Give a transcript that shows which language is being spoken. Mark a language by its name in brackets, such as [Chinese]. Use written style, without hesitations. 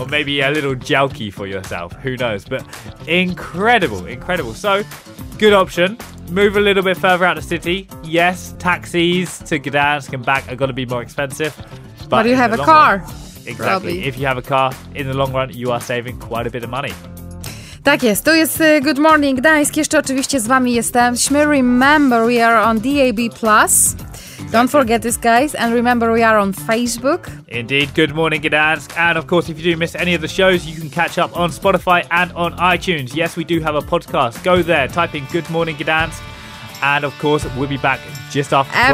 [English] Or maybe a little działki for yourself, who knows. But incredible, incredible. So, good option. Move a little bit further out of the city. Yes, taxis to Gdańsk and back are going to be more expensive. But you have a car. Run, exactly. Probably. If you have a car, in the long run, you are saving quite a bit of money. [Polish] Tak jest. To jest Good Morning Gdańsk. Jeszcze oczywiście z wami jesteśmy. [English] Remember, we are on DAB+. Don't forget this, guys. And remember, we are on Facebook. Indeed. Good Morning Gdańsk. And of course, if you do miss any of the shows, you can catch up on Spotify and on iTunes. Yes, we do have a podcast. Go there. Type in Good Morning Gdańsk. And of course, we'll be back just after 12.